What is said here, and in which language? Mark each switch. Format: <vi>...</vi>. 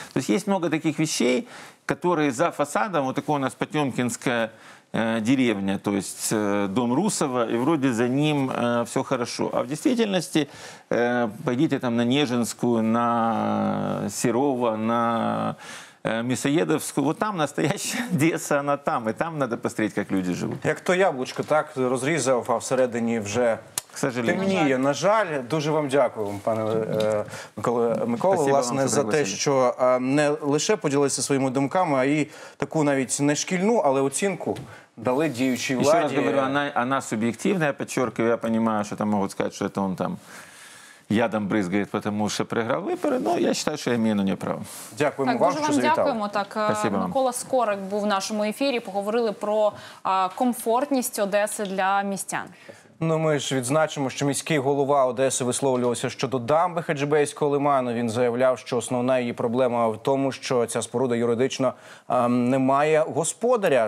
<ru>То есть есть много таких вещей, которые за фасадом, вот такое у нас Потемкинское деревня, то есть дом Русова, и вроде за ним все хорошо. А в действительности пойдите там на Нежинскую, на Серова, на Мисоєдовську, вот там настояща Одеса, она там, и там надо посмотреть, как люди живут.</ru> <uk>Як то яблучко, так, розрізав, а всередині вже...</uk> <ru>К сожалению.</ru> <uk>Темніє, на жаль. Дуже вам дякую, пане Микола,</uk> <ru>спасибо</ru> <uk>власне, за те, що не лише поділилися своїми думками, а й таку навіть не шкільну, але оцінку дали діючій владі. Ще раз говорю, вона суб'єктивна, я підчеркиваю, я розумію, що там можуть сказати, що це он там</uk> <ru>ядом брызгает, потому что проиграл выборы, но я считаю, что я имею на нее право.</ru> <uk>Дякуємо вам, що завітали. Дякуємо. Так, Микола Скорик був в нашому ефірі, поговорили про комфортність Одеси для містян. Ну, ми ж відзначимо, що міський голова Одеси висловлювався щодо дамби Хаджибейського лиману. Він заявляв, що основна її проблема в тому, що ця споруда юридично не має господаря.</uk>